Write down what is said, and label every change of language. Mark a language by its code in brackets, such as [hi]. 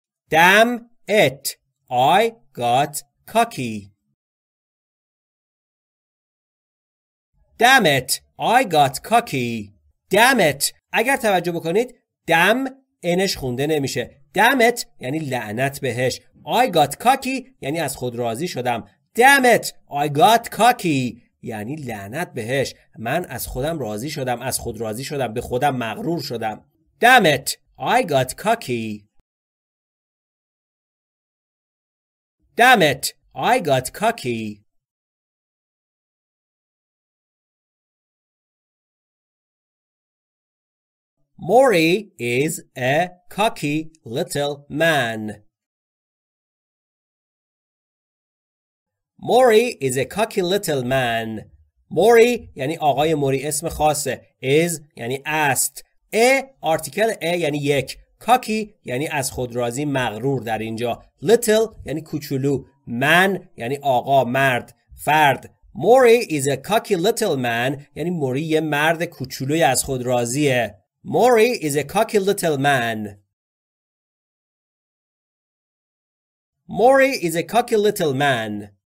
[en] Damn it, I got cocky. Damn it, I got cocky. Damn it. [fa] اگر توجه بکنید دم اینش خونده نمیشه. Damn it یعنی لعنت بهش. I got cocky یعنی از خود راضی شدم. [en] Damn it, I got cocky یعنی لعنت بهش. [fa] من از خودم راضی شدم، از خود راضی شدم، به خودم مغرور شدم. [en] Damn it, I got cocky. Damn it, I got cocky. Maury is a cocky little man. Maury is a cocky little man. [fa] موری یعنی آقای موری اسم خاصه. از یعنی است. ا آرتیکل ا یعنی یک. کاکی یعنی از خودرازی مغرور در اینجا. لیتل یعنی کوچولو. من یعنی آقا مرد فرد. موری is a cocky little man یعنی موری یه مرد کوچولوی از خود راضیه. [en] Murray is a cocky little man. Murray is a cocky little man.